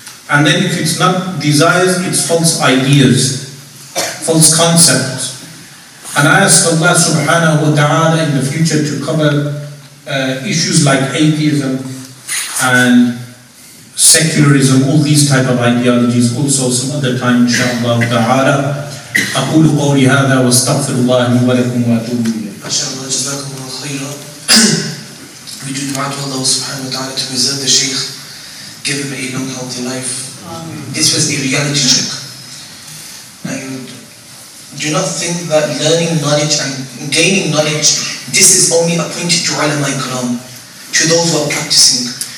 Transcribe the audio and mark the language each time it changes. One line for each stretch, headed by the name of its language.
English: And then if it's not desires, it's false ideas, false concepts. And I ask Allah subhanahu wa ta'ala in the future to cover issues like atheism and secularism, all these type of ideologies also some other time inshaAllah ta'ala.
Arabic: أقول قولي هذا واستغفر الله لي ولكم واتوب إليه. ما شاء الله جزاكم الله خيرا.
English: We do dua to Allah subhanahu wa ta'ala to preserve the Shaykh, give him a long healthy life. Amen. This was the reality check. And do not think that learning knowledge and gaining knowledge, this is only appointed to ulama ikram, to those who are practicing.